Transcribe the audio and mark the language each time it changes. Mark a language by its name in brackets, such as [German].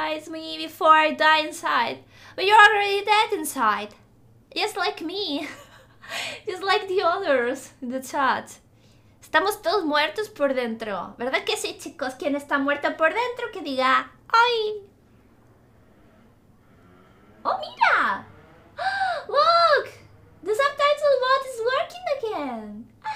[English] Me before I die inside, but you're already dead inside, just like me, just like the others in the chat. [Spanish] Estamos todos muertos por dentro, ¿verdad que sí, chicos? ¿Quién está muerto por dentro que diga ay? [English] Oh, mira, look, the subtitle bot is working again.